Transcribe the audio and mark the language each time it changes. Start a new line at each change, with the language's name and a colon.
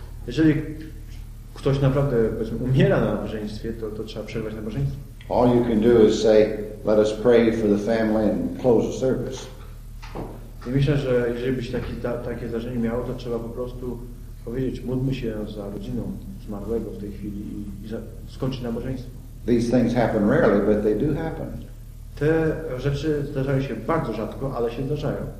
Polish: Jeżeli ktoś naprawdę, powiedzmy, umiera na nabożeństwie, to trzeba przerwać nabożeństwo.
English: All you can do is say, let us pray for the family and close the service.
Polish: I myślę, że jeżeli byś takie zdarzenie miało, to trzeba po prostu powiedzieć, módlmy się za rodziną zmarłego w tej chwili i skończyć nabożeństwo.
English: These things happen rarely, but they do happen.
Polish: Te rzeczy zdarzają się bardzo rzadko, ale się zdarzają.